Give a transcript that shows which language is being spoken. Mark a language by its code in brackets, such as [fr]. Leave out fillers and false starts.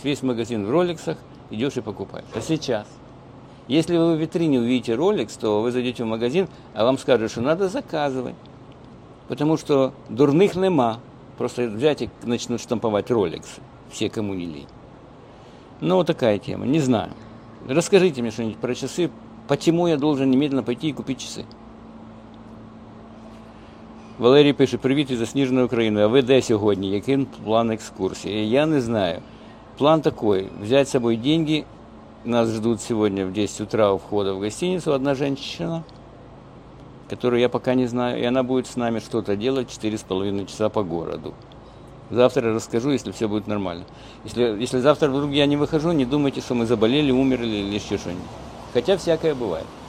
[ru] Весь магазин в Rolex, идешь и покупаешь. А сейчас? Если вы в витрине увидите Rolex, то вы зайдете в магазин, а вам скажут, что надо заказывать. Потому что дурных нема. Просто взять и начнут штамповать Rolex. Все, кому не лень. Ну, вот такая тема. Не знаю. Расскажите мне что-нибудь про часы, почему я должен немедленно пойти и купить часы. [uk] Валерий [ru] пишет: привет из [uk] Засніженої України, а ви де сьогодні? Який план екскурсии? Я не знаю. [ru] План такой, взять с собой деньги, нас ждут сегодня в 10 утра у входа в гостиницу одна женщина, которую я пока не знаю, и она будет с нами что-то делать 4,5 часа по городу. Завтра расскажу, если все будет нормально. Если завтра вдруг я не выхожу, не думайте, что мы заболели, умерли или еще что-нибудь. Хотя всякое бывает.